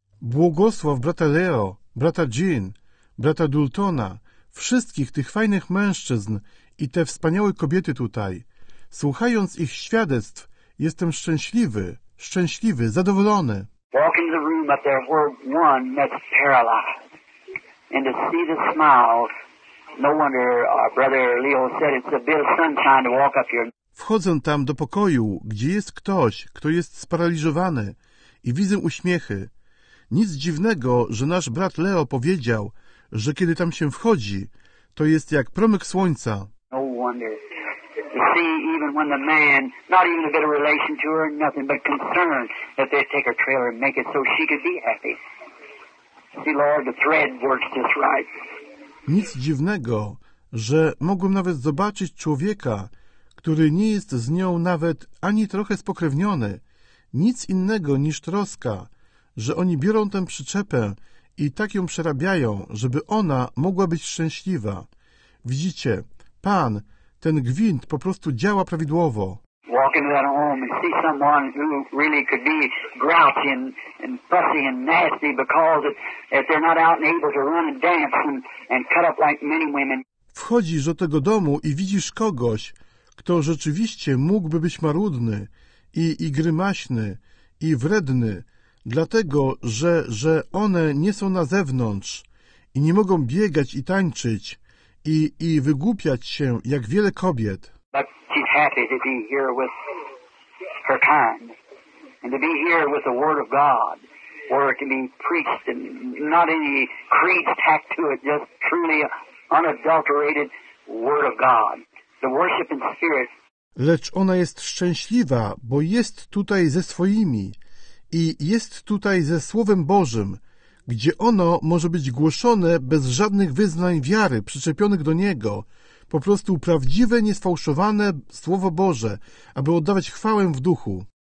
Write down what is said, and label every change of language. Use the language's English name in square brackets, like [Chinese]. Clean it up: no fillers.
[Polish] Błogosław brata Leo, brata Jean, brata Daltona, wszystkich tych fajnych mężczyzn i te wspaniałe kobiety tutaj. Słuchając ich świadectw, jestem szczęśliwy, szczęśliwy, zadowolony. [English] Walk into the room up there where one that's paralyzed. And to see the smile, no wonder our brother Leo said it's a bit of sunshine to walk up here. [Polish] Wchodzę tam do pokoju, gdzie jest ktoś, kto jest sparaliżowany i widzę uśmiechy. Nic dziwnego, że nasz brat Leo powiedział, że kiedy tam się wchodzi, to jest jak promyk słońca. [English] No wonder. To see even when the man, not even a bit of relation to her, nothing but concern that they'd take her trailer and make it so she could be happy. See, Lord, the thread works just right. [Polish] Nic dziwnego, że mogłem nawet zobaczyć człowieka, który nie jest z nią nawet ani trochę spokrewniony, nic innego niż troska, że oni biorą tę przyczepę i tak ją przerabiają, żeby ona mogła być szczęśliwa. Widzicie, Pan, ten gwint po prostu działa prawidłowo. Walk into that home and see someone who really could be grouchy and fussy and nasty because if they're not out and able to run and dance and cut up like many women. Wchodzisz do tego domu i widzisz kogoś, kto rzeczywiście mógłby być marudny i grymaśny i wredny, dlatego że one nie są na zewnątrz i nie mogą biegać i tańczyć i wygłupiać się jak wiele kobiet. But she's happy to be here with her kind and to be here with the word of God where it can be preached and not any creed tacked to it, just truly unadulterated word of God. The worship in spirit. Lecz ona jest szczęśliwa, bo jest tutaj ze swoimi i jest tutaj ze Słowem Bożym, gdzie ono może być głoszone bez żadnych wyznań wiary przyczepionych do Niego, po prostu prawdziwe, niesfałszowane Słowo Boże, aby oddawać chwałę w duchu.